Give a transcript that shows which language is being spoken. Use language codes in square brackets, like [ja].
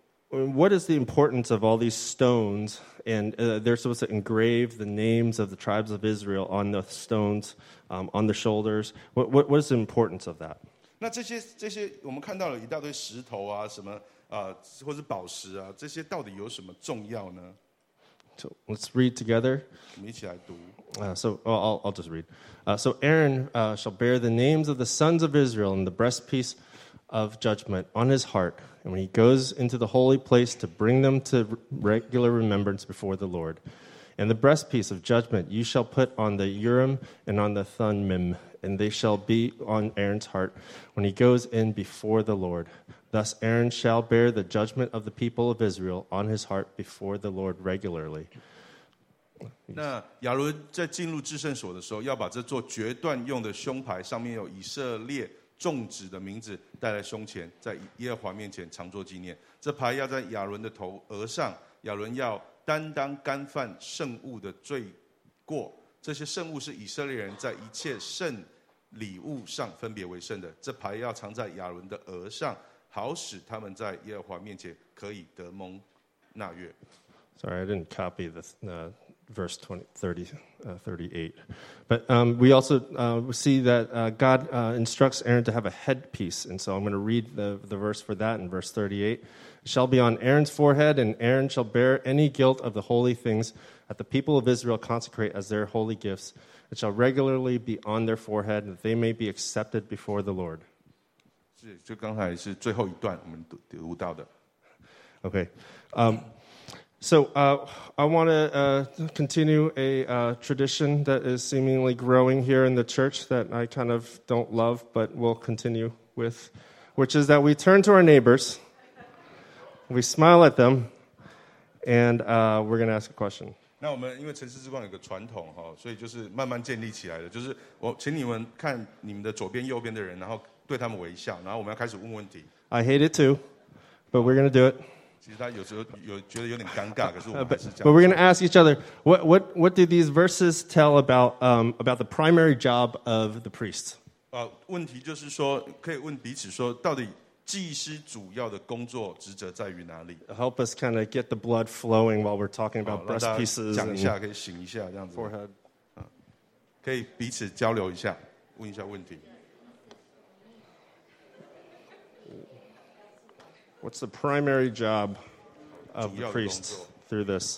[en] What is the importance of all these stones? And they're supposed to engrave the names of the tribes of Israel on the stones, on the shoulders. What is the importance of that? [zh] 那这些我们看到了一大堆石头啊，什么或是宝石啊，这些到底有什么重要呢？ [en] So let's read together. [zh] 我们一起来读。 [en] I'll just read. So Aaron shall bear the names of the sons of Israel in the breastpiece of judgment on his heart, and when he goes into the holy place to bring them to regular remembrance before the Lord. And the breastpiece of judgment you shall put on the Urim and on the Thummim, and they shall be on Aaron's heart when he goes in before the Lord. Thus Aaron shall bear the judgment of the people of Israel on his heart before the Lord regularly. [zh] 那亚伦在进入至圣所的时候，要把这座决断用的胸牌，上面有以色列众子的名字带在胸前，在耶和华面前常作纪念。这牌要在亚伦的头额上，亚伦要担当干犯圣物的罪过。这些圣物是以色列人在一切圣礼物上分别为圣的。这牌要藏在亚伦的额上，好使他们在耶和华面前可以得蒙那月。 [en] Sorry, I didn't copy the verse 38. But we also see that God instructs Aaron to have a headpiece. And so I'm going to read the verse for that in verse 38. It shall be on Aaron's forehead, and Aaron shall bear any guilt of the holy things that the people of Israel consecrate as their holy gifts. It shall regularly be on their forehead, that they may be accepted before the Lord. [zh] 是，就刚才是最后一段我们读到的。 [en] Okay. So I want to continue a tradition that is seemingly growing here in the church that I kind of don't love, but will continue with, which is that we turn to our neighbors, we smile at them, and we're going to ask a question. [zh] 那我们因为城市之光有个传统，所以就是慢慢建立起来的，就是我请你们看你们的左边右边的人，然后对他们微笑，然后我们要开始问问题。 [en] I hate it too, but we're going to do it. But we're going to ask each other, what do these verses tell about the primary job of the priest? [zh] 问题就是说，可以问彼此说，到底祭司主要的工作职责在于哪里？ [en] Help us kind of get the blood flowing while we're talking about breast pieces. [zh] 让大家讲一下，可以醒一下这样子。 [en] Forehead. [zh] 可以彼此交流一下，问一下问题。 [en] What's the primary job of the priest through this?